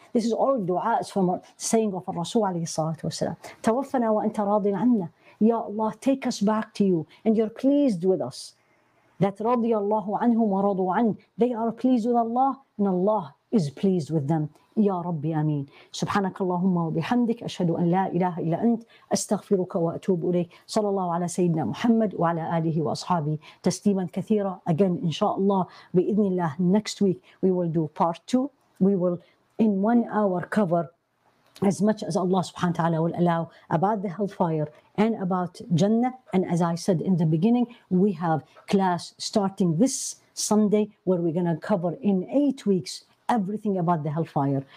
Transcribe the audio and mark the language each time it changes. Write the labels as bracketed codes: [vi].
[en] This is all du'as from saying of Rasul alayhi salatu wasalam. [ar] تَوَفَّنَا وَأَنْتَ رَاضٍ عَنَّا. [en] Ya Allah, take us back to you and you're pleased with us. [ar] That رضي الله عنهم ورضوا عنه. [en] They are pleased with Allah and Allah is pleased with them. [ar] يا ربي آمين. سبحانك اللهم وبحمدك أشهد أن لا إله إلا أنت أستغفرك وأتوب إليك. صلى الله على سيدنا محمد وعلى آله وأصحابه تسليما كثيرا. [en] Again, إن شاء الله بإذن الله next week we will do part 2. We will in 1 hour cover as much as Allah subhanahu wa ta'ala will allow about the hellfire and about Jannah. And as I said in the beginning, we have class starting this Sunday where we're going to cover in 8 weeks everything about the hellfire.